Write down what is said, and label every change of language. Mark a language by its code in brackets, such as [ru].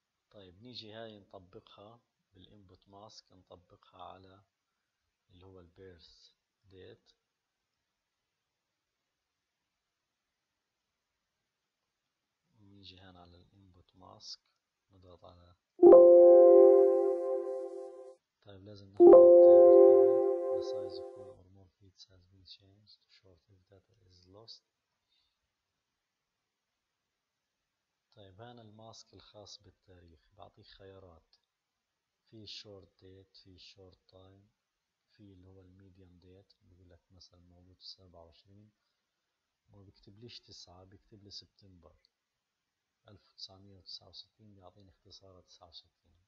[ar] طيب نيجي هاي نطبقها بالانبوت ماسك، نطبقها على اللي هو البيرث ديت. نيجي هنا على الانبوت ماسك، نضغط على، طيب لازم نحفظ التابل قبل. [en] The size of one or more fields has been changed to show if data is lost. [ar] طيب هان الماسك الخاص بالتاريخ بعطيك خيارات، في short date، في short time، في اللي هو medium date بيقول لك مثلا موجود 27، ما بيكتب ليش 9، بيكتب لي سبتمبر 1969، بيعطيني اختصار 69.